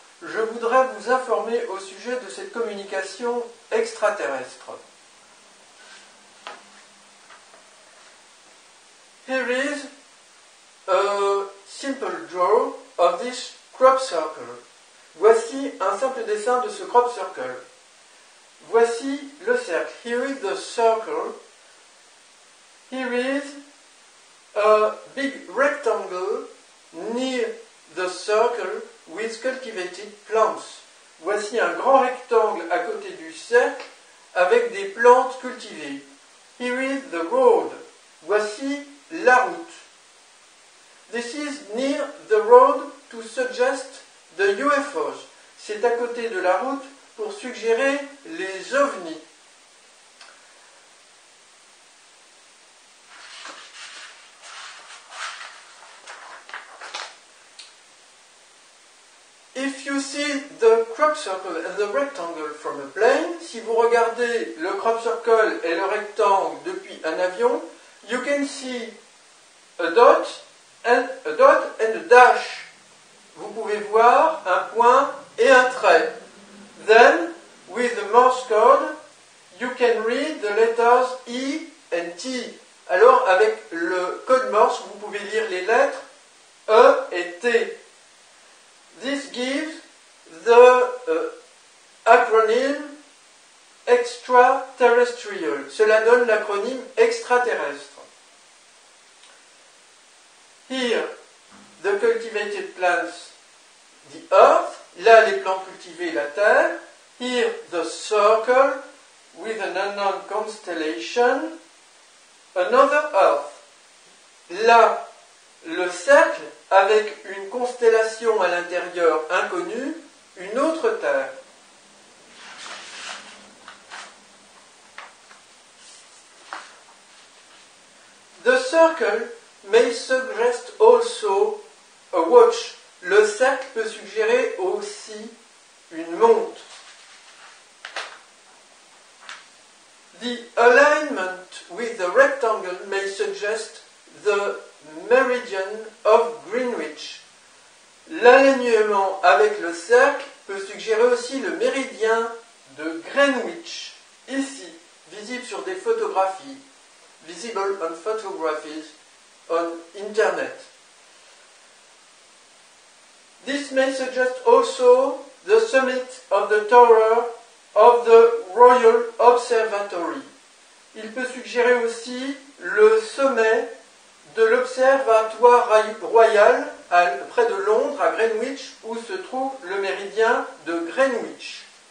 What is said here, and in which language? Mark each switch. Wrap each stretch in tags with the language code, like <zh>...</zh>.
<fr>Je voudrais vous informer au sujet de cette communication extraterrestre.</fr> <en>Here is a simple draw of this crop circle.</en> <fr>Voici un simple dessin de ce crop circle. Voici le cercle.</fr> <en>Here is the circle. Here is a big rectangle near the circle with cultivated plants.</en> <fr>Voici un grand rectangle à côté du cercle avec des plantes cultivées.</fr> <en>Here is the road.</en> <fr>Voici la route.</fr> <en>This is near the road to suggest the UFOs.</en> <fr>C'est à côté de la route pour suggérer les ovnis.</fr> <en>If you see the crop circle and the rectangle from a plane,</en> <fr>si vous regardez le crop circle et le rectangle depuis un avion,</fr> <en>you can see a dot and a dash.</en> <fr>Vous pouvez voir un point et un trait.</fr> <en>Then, with the Morse code, you can read the letters E and T.</en> <fr>Alors, avec le code Morse, vous pouvez lire les lettres E et T.</fr> <en>This gives the acronym extraterrestrial.</en> <fr>Cela donne l'acronyme extraterrestre.</fr> <en>Here, the cultivated plants, the earth.</en> <fr>Là, les plantes cultivées, la terre.</fr> <en>Here, the circle with an unknown constellation, another earth.</en> <fr>Là, le cercle avec une constellation à l'intérieur inconnue, une autre Terre.</fr> <en>The circle may suggest also a watch.</en> <fr>Le cercle peut suggérer aussi une montre.</fr> <en>The alignment with the rectangle may suggest the meridian of Greenwich.</en> <fr>L'alignement avec le cercle peut suggérer aussi le méridien de Greenwich, ici, visible sur des photographies,</fr> <en>visible on photographies on internet. This may suggest also the summit of the tower of the Royal Observatory.</en> <fr>Il peut suggérer aussi le sommet de l'Observatoire Royal près de Londres, à Greenwich, où se trouve le méridien de Greenwich.</fr>